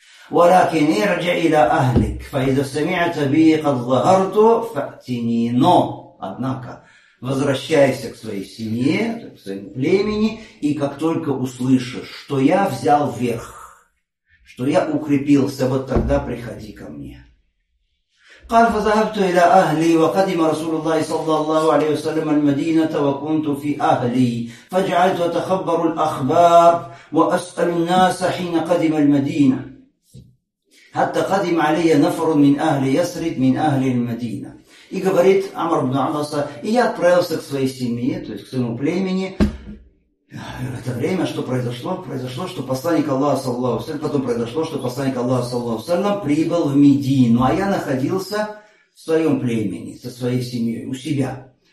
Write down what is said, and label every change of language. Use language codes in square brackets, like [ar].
[ar] وَلَكِنْ اِرْجَ إِلَىٰ أَهْلِكْ فَإِذَا سَمِعْتَ بِي قَدْ ظَهَرْتُ فَأْتِنِي. [ru] Но, однако, возвращайся к своей семье, к своему племени, и как только услышишь, что я взял верх, что я укрепился, вот тогда приходи ко мне. [ar] قال فذهبت إلى أهلي وقدم رسول الله صلى الله عليه وسلم المدينة وكنت في أهلي فجعلت أتخبر الأخبار وأسأل الناس حين قدم المدينة حتى قدم علي نفر من أهل يسرب من أهل المدينة. [ru] И говорит Амар ибн Ас, и я отправился к своей семье, то есть к своему племени. В это время что произошло? Произошло, что посланник Аллаха, саллаллаху алейхи ва саллям, потом произошло, что посланник Аллаха, саллаллаху алейхи ва саллям, прибыл в Медину, а я находился в своем племени, со своей семьей, у себя.